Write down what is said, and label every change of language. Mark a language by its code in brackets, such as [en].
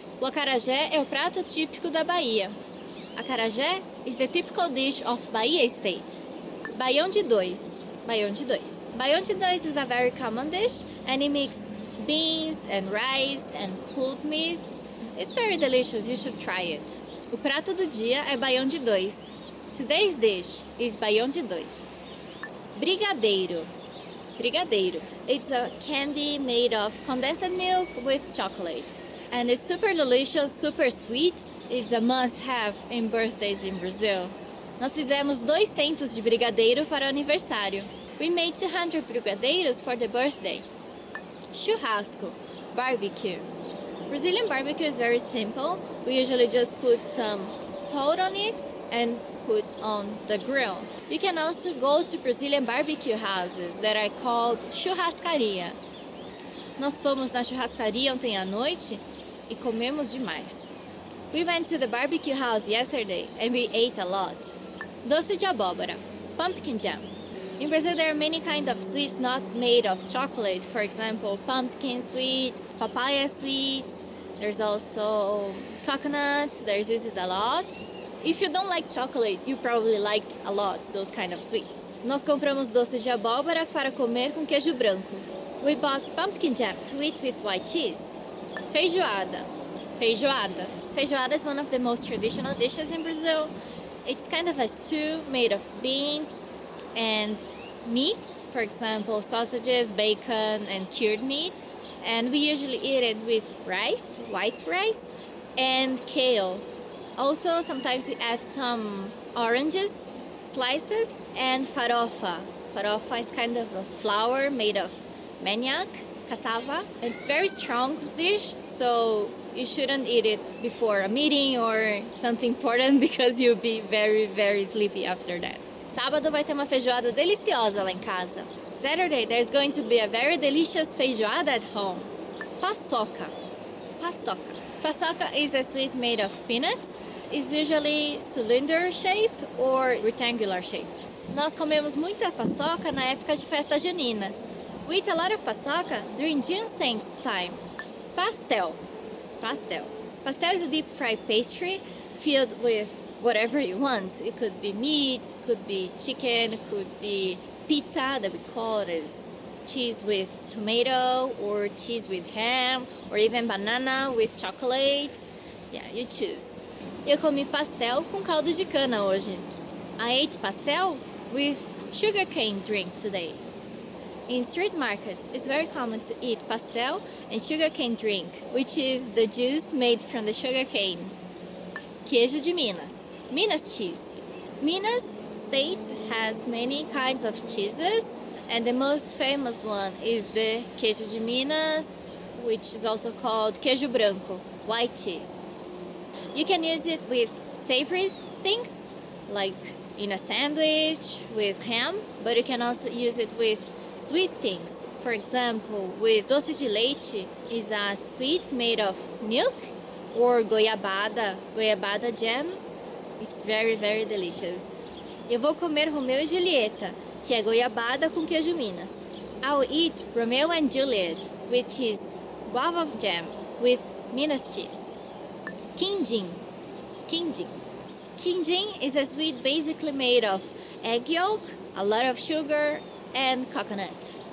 [pt] O acarajé é o prato típico da Bahia. [en] Acarajé is the typical dish of Bahia State. Baião de dois. Baião de dois. Baião de dois is a very common dish and it makes beans and rice and pulled meat. It's very delicious, you should try it. [pt] O prato do dia é baião de dois. [en] Today's dish is baião de dois. Brigadeiro. Brigadeiro. It's a candy made of condensed milk with chocolate. And it's super delicious, super sweet. It's a must-have in birthdays in Brazil. [pt] Nós fizemos 200 de brigadeiro para o aniversário. [en] We made 200 brigadeiros for the birthday. Churrasco, barbecue. Brazilian barbecue is very simple. We usually just put some salt on it and put on the grill. You can also go to Brazilian barbecue houses that are called churrascaria. [pt] Nós fomos na churrascaria ontem à noite e comemos demais. [en] We went to the barbecue house yesterday and we ate a lot. Doce de abóbora, pumpkin jam. In Brazil, there are many kinds of sweets not made of chocolate. For example, pumpkin sweets, papaya sweets. There's also coconut. There's this a lot. If you don't like chocolate, you probably like a lot those kind of sweets. [pt] Nós compramos doce de abóbora para comer com queijo branco. [en] We bought pumpkin jam to eat with white cheese. Feijoada. Feijoada. Feijoada is one of the most traditional dishes in Brazil. It's kind of a stew made of beans and meat, for example, sausages, bacon, and cured meat. And we usually eat it with rice, white rice, and kale. Also, sometimes we add some oranges, slices, and farofa. Farofa is kind of a flour made of manioc, cassava. It's a very strong dish, so you shouldn't eat it before a meeting or something important because you'll be very, very sleepy after that. [pt] Sábado vai ter uma feijoada deliciosa lá em casa. [en] Saturday, there's going to be a very delicious feijoada at home. Paçoca. Paçoca. Paçoca is a sweet made of peanuts. It's usually cylinder shape or rectangular shape. [pt] Nós comemos muita paçoca na época de festa junina. [en] We eat a lot of paçoca during ginseng's time. Pastel. Pastel. Pastel is a deep fried pastry filled with whatever you want. It could be meat, could be chicken, could be pizza that we call it as cheese with tomato or cheese with ham or even banana with chocolate. Yeah, you choose. [pt] Eu comi pastel com caldo de cana hoje. [en] I ate pastel with sugarcane drink today. In street markets, it's very common to eat pastel and sugarcane drink, which is the juice made from the sugarcane. Queijo de Minas. Minas cheese. Minas state has many kinds of cheeses, and the most famous one is the queijo de Minas, which is also called queijo branco, white cheese. You can use it with savory things, like in a sandwich, with ham, but you can also use it with sweet things. For example, with doce de leite is a sweet made of milk, or goiabada, goiabada jam. It's very, very delicious. [pt] Eu vou comer Romeo e Julieta, que é goiabada com queijo Minas. [en] I'll eat Romeo and Juliet, which is guava jam with Minas cheese. Quindim. Quindim. Quindim is a sweet basically made of egg yolk, a lot of sugar, and coconut.